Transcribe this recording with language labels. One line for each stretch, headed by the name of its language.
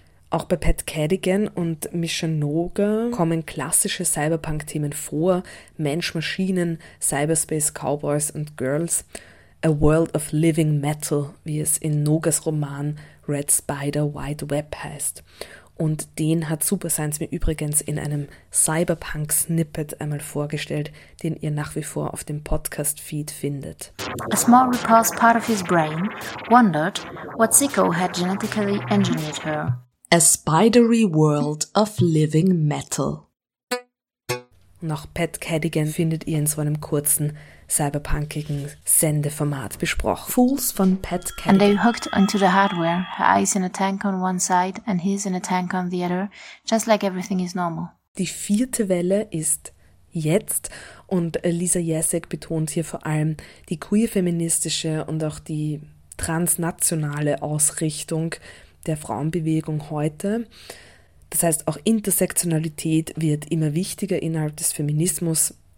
German: Auch bei Pat Cadigan und Misha Noga kommen klassische Cyberpunk-Themen vor: Mensch, Maschinen, Cyberspace, Cowboys und Girls, A World of Living Metal, wie es in Nogas Roman Red Spider, White Web heißt. Und den hat Super Science mir übrigens in einem Cyberpunk-Snippet einmal vorgestellt, den ihr nach wie vor auf dem Podcast-Feed findet.
English: A small repulsed part of his brain wondered what Zico had genetically engineered her. A spidery world of living metal.
German: Noch Pat Cadigan findet ihr in so einem kurzen cyberpunkigen Sendeformat besprochen. Fools von Pat Cadigan.
English: And they hooked into the hardware, her eyes in a tank on one side and his in a tank on the other, just like everything is normal.
German: Die vierte Welle ist jetzt und Liza Yesick betont hier vor allem die queer-feministische und auch die transnationale Ausrichtung der Frauenbewegung heute. Das heißt, auch Intersektionalität wird immer wichtiger innerhalb des Feminismus.